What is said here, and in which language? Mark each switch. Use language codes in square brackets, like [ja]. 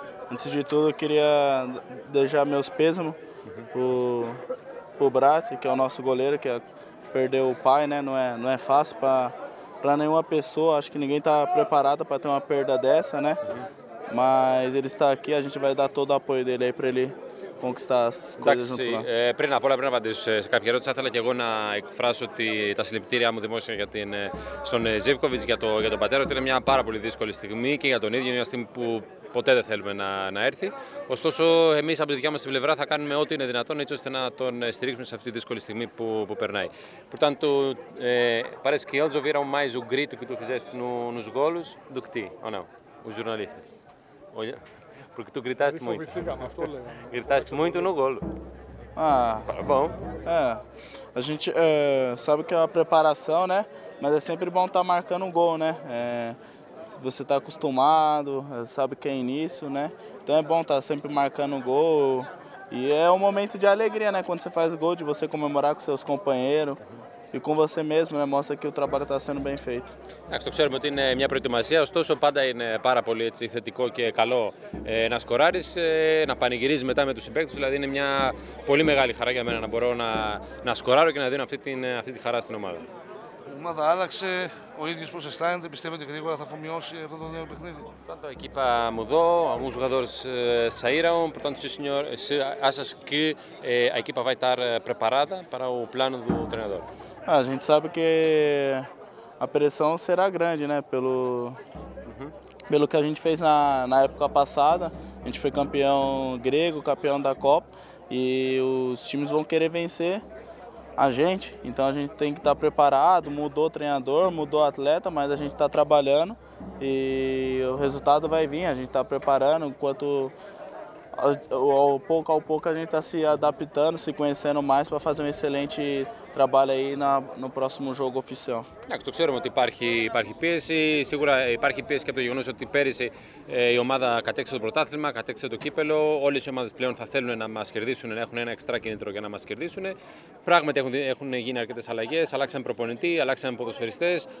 [pt] Antes de tudo, eu queria deixar meus pêsames pro Brat, que é o nosso goleiro, que perdeu o pai, né? Não é fácil para nenhuma pessoa. Acho que ninguém está preparado para ter uma perda dessa, né? Mas ele está aqui, a gente vai dar todo o apoio dele aí para ele conquistar as coisas. [el] Εντάξει, πριν απ' όλα πρέπει να απαντήσω σε κάποια ερώτηση. Θα ήθελα και εγώ να εκφράσω ότι τα συλληπιτήρια μου δημόσια για στον Ζίβκοβιτς, για τον πατέρα, ότι είναι μια πάρα πολύ δύσκολη στιγμή και για τον ίδιο, μια στιγμή που ποτέ δεν θέλουμε να έρθει. Ωστόσο, εμείς από τη δικιά μας την πλευρά θα κάνουμε ό,τι είναι δυνατόν έτσι ώστε να τον στηρίξουμε σε αυτή τη δύσκολη στιγμή που περνάει. [pt] Portanto, parece que eles ouviram mais o grito que tu fizeste nos golos do que ti, ou não? Os jornalistas. Olha. Porque tu gritaste muito. Gritaste muito no golo. Ah. Tá bom. É. A gente sabe que é uma preparação, né? Mas é sempre bom estar marcando um gol, né? Você está acostumado, sabe que é início, né? Então é bom estar sempre marcando um gol. E é um momento de alegria, né? Quando você faz o gol, de você comemorar com seus companheiros. E com você mesmo, né? Mostra que o trabalho está sendo bem feito. [el] Το ξέρουμε ότι είναι μια προετοιμασία, ωστόσο πάντα είναι πάρα πολύ έτσι, θετικό και καλό να σκοράρεις, να πανηγυρίζεις μετά με τους συμπαίκτες. Δηλαδή είναι μια πολύ μεγάλη χαρά για μένα να μπορώ να σκοράρω και να δίνω αυτή τη χαρά στην ομάδα. Η ομάδα άλλαξε, ο ίδιος πώς αισθάνεται, πιστεύετε ότι γρήγορα θα αφομοιώσει αυτό το νέο παιχνίδι. [pt] Portanto, a equipa mudou, alguns jogadores saíram, portanto, sim senhor, achas que a equipa vai estar preparada para o plano do treinador? A gente sabe que a pressão será grande, né? Pelo que a gente fez na época passada. A gente foi campeão grego, campeão da Copa, e os times vão querer vencer a gente. Então a gente tem que estar preparado, mudou o treinador, mudou o atleta, mas a gente está trabalhando e o resultado vai vir, a gente está preparando, enquanto ao pouco a gente está se adaptando, se conhecendo mais para fazer um excelente trabalho aí no próximo jogo oficial. [el] Το ξέρουμε ότι υπάρχει πίεση. Σίγουρα υπάρχει πίεση και από το γεγονός ότι πέρυσι η ομάδα κατέκτησε το πρωτάθλημα, κατέκτησε το κύπελο. Όλες οι ομάδες πλέον θα θέλουν να μας κερδίσουν, να έχουν ένα εξτρά κίνητρο για να μας κερδίσουν. Πράγματι έχουν γίνει αρκετές αλλαγές. Αλλάξαμε προπονητή, αλλάξαμε ποδοσφαιριστές.